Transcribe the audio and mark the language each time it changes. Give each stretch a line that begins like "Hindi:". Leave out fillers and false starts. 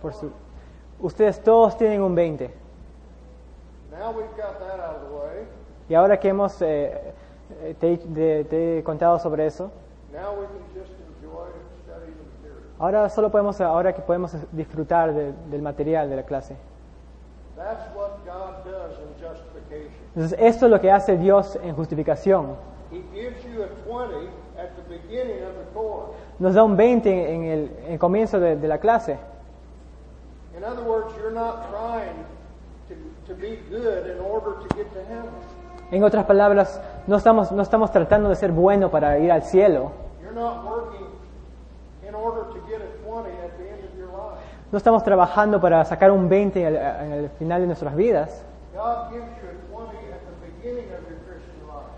Spanish: por su, ustedes todos tienen un 20.
English: Now we've got that out of the way.
Spanish: Y ahora que hemos te he contado sobre eso,
English: now we can just enjoy studying the material.
Spanish: Ahora que podemos disfrutar del material de la clase.
English: That's what God does in justification.
Spanish: Entonces, esto es lo que hace Dios en justificación.
English: He gives you a 20. At the beginning of the course.
Spanish: Nos da un 20 en el comienzo de la clase.
English: In other words, you're not trying to be good in order to get to heaven.
Spanish: En otras palabras, no estamos tratando de ser bueno para ir al cielo.
English: You're not working in order to get a 20 at the end of your life.
Spanish: No estamos trabajando para sacar un 20 en el final de nuestras vidas.
English: God gives you a 20 at the beginning of your life.